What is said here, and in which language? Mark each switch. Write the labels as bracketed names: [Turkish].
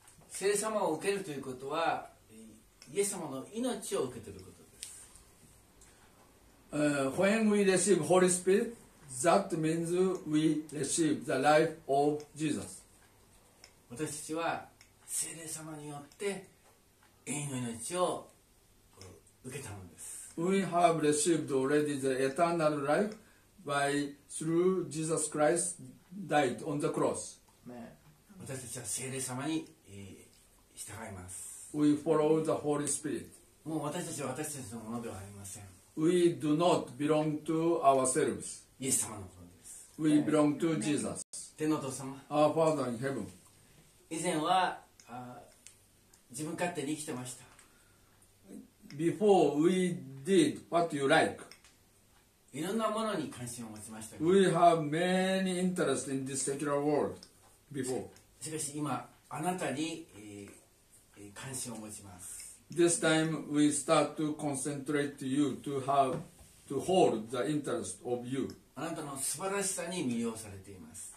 [Japanese] 聖霊様を受けるということは、イエス様の命を受けていることです。 [English] When we receive Holy Spirit, that means we receive the life of Jesus. [Japanese] 私たちは聖霊様によって永遠の命を受けたのです。 [English] We have received already the eternal life by through Jesus Christ died on the cross. [Japanese] 私たちは聖霊様に、従います。 [English] We follow the Holy Spirit. [Japanese] もう私たちは私たちのものではありません。 [English] We do not belong to ourselves. [Japanese] イエス様のものです。 [English] We belong to Jesus. [Japanese] 天の父様。 [English] Our Father in heaven. [Japanese] 以前は自分勝手に生きてました。 [English] Before we did what you like. [Japanese] いろんなものに関心を持ちました。 [English] We have many interest in this secular world before. [Japanese] しかし今あなたに、関心を持ちます。 [English] This time we start to concentrate you to have to hold the interest of you. [Japanese] あなたの素晴らしさに魅了されています。